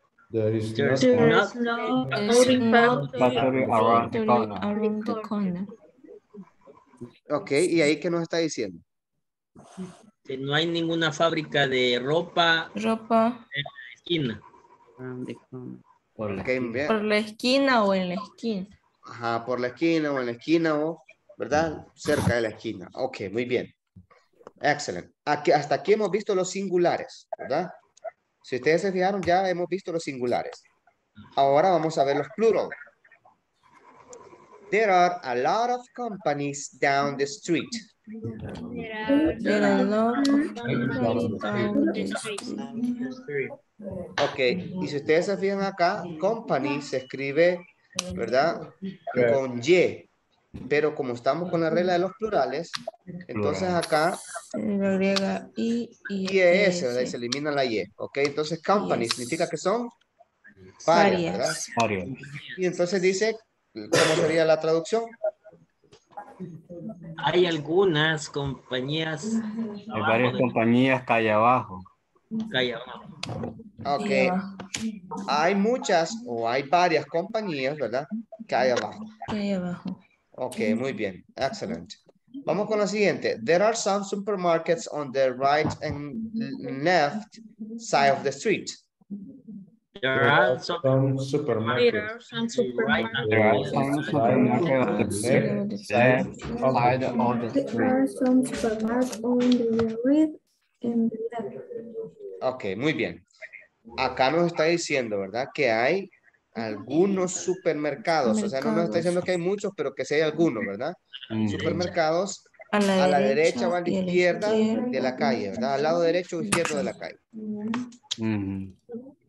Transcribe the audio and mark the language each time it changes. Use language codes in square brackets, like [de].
[en] There is no clothing factory around the corner. [es] Ok, ¿y ahí qué nos está diciendo? Que no hay ninguna fábrica de ropa en la esquina. Por la esquina o en la esquina. Ajá, por la esquina o en la esquina o, ¿verdad? Cerca de la esquina. Ok, muy bien. Excelente. Aquí, hasta aquí hemos visto los singulares, ¿verdad? Si ustedes se fijaron, ya hemos visto los singulares. Ahora vamos a ver los plural. [en] There are a lot of companies down the street. There are a lot of companies down the street. [es] Ok, y si ustedes se fijan acá, company se escribe, ¿verdad? Con Y. Pero como estamos con la regla de los plurales, entonces acá lo agrega y es, ¿verdad? Y se elimina la Y. Ok, entonces company yes. significa que son varias, ¿verdad? Varias. Y entonces dice, ¿cómo sería la traducción? Hay algunas compañías. Hay varias compañías calle abajo. Calle abajo. Ok. Hay muchas o hay varias compañías, ¿verdad? Calle abajo. Calle abajo. Ok, muy bien. Excellent. Vamos con la siguiente. [en] There are some supermarkets on the right and left side of the street. There are some supermarkets on the right and the left. [es] Ok, muy bien. Acá nos está diciendo, ¿verdad? Que hay algunos supermercados, o sea, no nos está diciendo que hay muchos, pero que sí hay algunos, ¿verdad? Supermercados a la derecha o a la izquierda de la calle, ¿verdad? Al lado derecho o izquierdo de la calle. Mm-hmm.